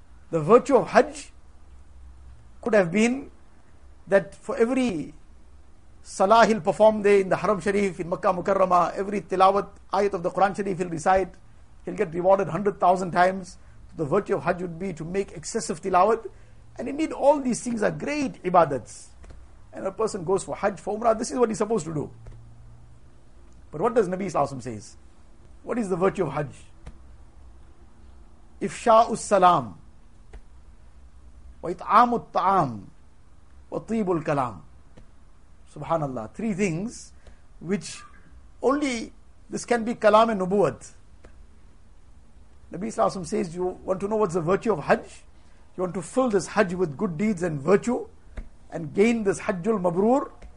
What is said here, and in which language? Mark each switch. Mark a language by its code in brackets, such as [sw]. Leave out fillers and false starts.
[en] The virtue of Hajj could have been that for every salah he'll perform there in the Haram Sharif, in Makkah Mukarramah, every tilawat ayat of the Quran Sharif he'll recite, he'll get rewarded 100,000 times. So the virtue of Hajj would be to make excessive tilawat. And indeed all these things are great ibadats. And a person goes for Hajj, for umrah, this is what he's supposed to do. But what does Nabi Sallallahu Alaihi Wasallam says? What is the virtue of Hajj? [ar] إِفْشَاءُ السَّلَامُ وَإِطْعَامُ الطَّعَامُ وَطِيبُ الْكَلَامُ. Subhanallah. [en] Three things which only this can be kalam and nubuwat. Nabi Sallallahu Alaihi Wasallam says, you want to know what's the virtue of Hajj? You want to fill this Hajj with good deeds and virtue and gain this Hajjul Mabroor?